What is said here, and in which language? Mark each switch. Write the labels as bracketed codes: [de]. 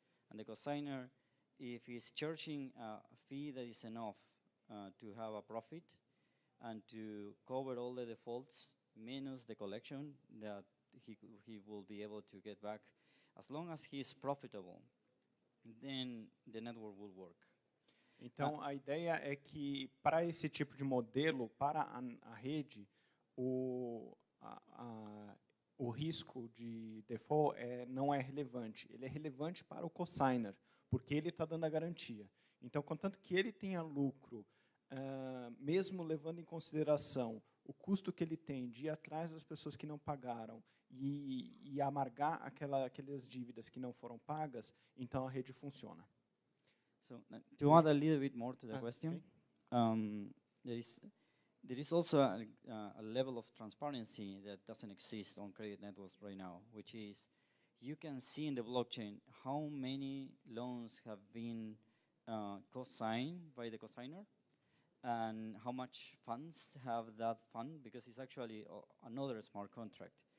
[en] And the cosigner, if he's charging a fee that is enough to have a profit and to cover all the defaults minus the collection that he will be able to get back, as long as he's profitable, then the network will work. [pt] Então, a ideia é que, para esse tipo de modelo, para a rede, o risco de default não é relevante. Ele é relevante para o cosigner, porque ele está dando a garantia. Então, contanto que ele tenha lucro, mesmo levando em consideração o custo que ele tem de ir atrás das pessoas que não pagaram e amargar aquelas dívidas que não foram pagas, então a rede funciona. [en] So to add a little bit more to the question, there is also a level of transparency that doesn't exist on credit networks right now, which is you can see in the blockchain how many loans have been co-signed by the co-signer and how much funds have that fund, because it's actually another smart contract.